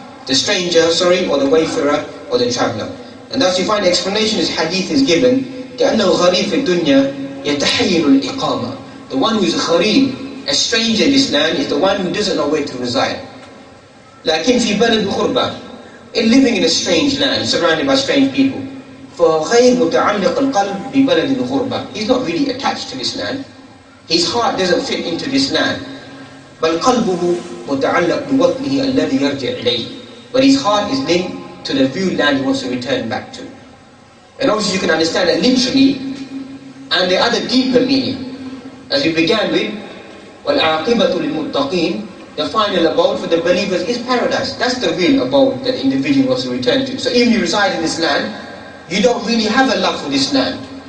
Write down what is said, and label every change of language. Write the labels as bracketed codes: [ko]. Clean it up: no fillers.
[en] The stranger, sorry, or the wayfarer, or the traveler. And thus you find the explanation is hadith is given, [ar] كأنه غريب في الدنيا يتحيل الإقامة. [en] The one who is a غريب, a stranger in this land, is the one who doesn't know where to reside. [ar] لكن في بلد غربة, [en] in living in a strange land, surrounded by strange people. [ar] فغير متعلق القلب ببلد غربة. [en] He's not really attached to this land. His heart doesn't fit into this land. [ar] بل قلبه متعلق بوطنه الذي يرجع إليه. [en] But his heart is linked to the view land he wants to return back to. And obviously you can understand that literally, and the other deeper meaning. As we began with, [ar] وَالْعَاقِبَةُ لِلْمُتَّقِينَ, [en] the final abode for the believers is paradise. That's the real abode that the individual wants to return to. So even if you reside in this land, you don't really have a love for this land.